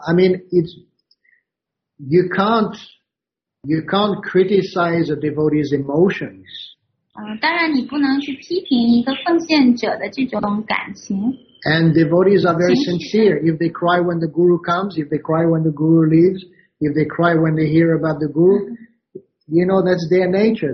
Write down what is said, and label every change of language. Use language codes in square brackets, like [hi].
[en] I mean, you can't criticize a devotee's emotions. [zh] 当然你不能去批评一个奉献者的这种感情。 [en] And devotees are very sincere. If they cry when the guru comes, if they cry when the guru leaves. If they cry when they hear about the guru, you know that's their nature.